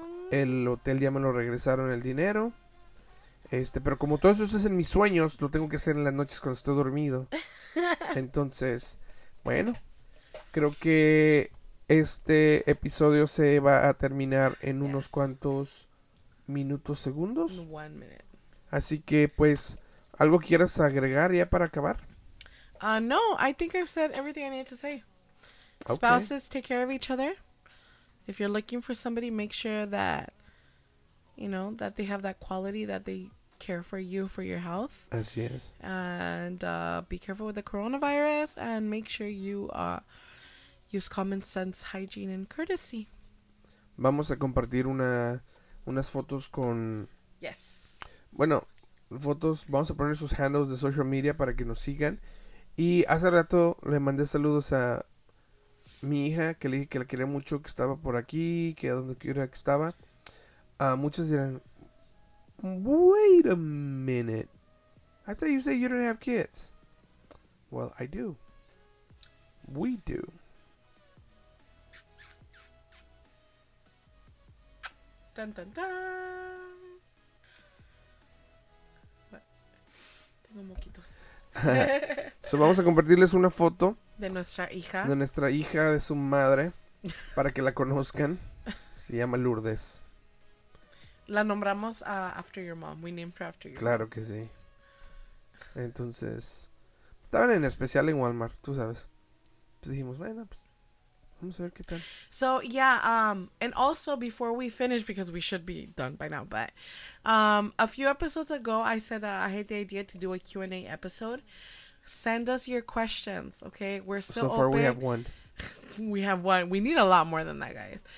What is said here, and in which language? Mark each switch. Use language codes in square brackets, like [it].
[es] El hotel ya me lo regresaron el dinero. Pero como todo eso es en mis sueños, lo tengo que hacer en las noches cuando estoy dormido. Entonces, bueno, creo que este episodio se va a terminar en unos cuantos minutos, segundos. [en] One minute. [es] Así que, pues, ¿algo quieras agregar ya para acabar? [en] No, I think I've said everything I need to say. Okay. Spouses, take care of each other. If you're looking for somebody, make sure that, you know, that they have that quality, that they care for you, for your health. [es] Así es. [en] And be careful with the coronavirus and make sure you use common sense, hygiene and courtesy. [es] Vamos a compartir unas fotos con... [en] Yes. [es] Bueno, fotos, vamos a poner sus handles de [en] social media [es] para que nos sigan. Y hace rato le mandé saludos a... mi hija, que le dije que la quería mucho, que estaba por aquí, que a donde quiera que estaba. Muchos dirán, [en] wait a minute. I thought you said you don't have kids. Well, I do. We do. Dun dun dun. [es] Tengo moquitos. So vamos a compartirles una foto de nuestra hija. De nuestra hija, de su madre, para que la conozcan. Se llama Lourdes. La nombramos [en] after your mom. We named her after your [es] claro mom. Que sí. Entonces, estaban en especial en Walmart, tú sabes. Entonces dijimos, bueno, pues vamos a ver qué tal. [en] So, yeah, and also before we finish, because we should be done by now, but a few episodes ago, I said that I had the idea to do a Q&A episode. Send us your questions, okay? We're still open. So far, we have one. We have one. We need a lot more than that, guys.